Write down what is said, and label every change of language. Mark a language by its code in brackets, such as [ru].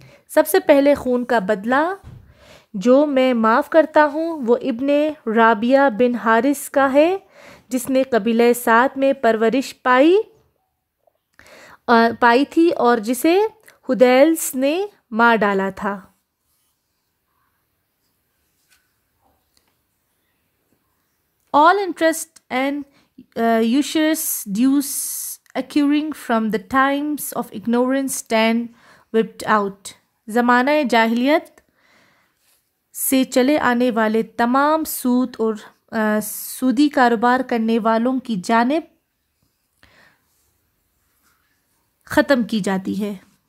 [hi] सबसे पहले खून का बदला जो मैं माफ़ करता हूँ वो इब्ने राबिया बिन हारिस का है जिसने कबीले सात में परवरिश पाई थी और जिसे हुदैल्स ने मार डाला था। [en] All interest and usurious dues accruing from the times of ignorance stand wiped out. [hi] ज़माना जाहिलियत से चले आने वाले तमाम सूद और सूदी कारोबार करने वालों की जानिब ख़त्म की जाती है।